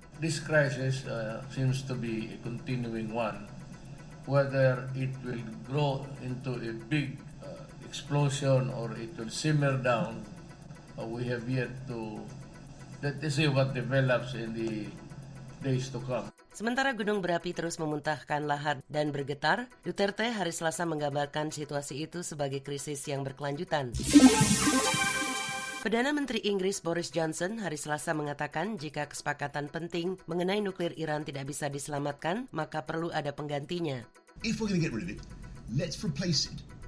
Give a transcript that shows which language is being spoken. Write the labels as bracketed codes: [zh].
[en] This crisis seems to be a continuing one. Whether it will grow into a big explosion or it will simmer down, we have yet to see what develops in the days to come. [id] Sementara gunung berapi terus memuntahkan lahar dan bergetar, Duterte hari Selasa menggambarkan situasi itu sebagai krisis yang berkelanjutan. Perdana Menteri Inggris Boris Johnson hari Selasa mengatakan jika kesepakatan penting mengenai nuklir Iran tidak bisa diselamatkan, maka perlu ada penggantinya. [en] If we're going to get rid of it, let's replace it.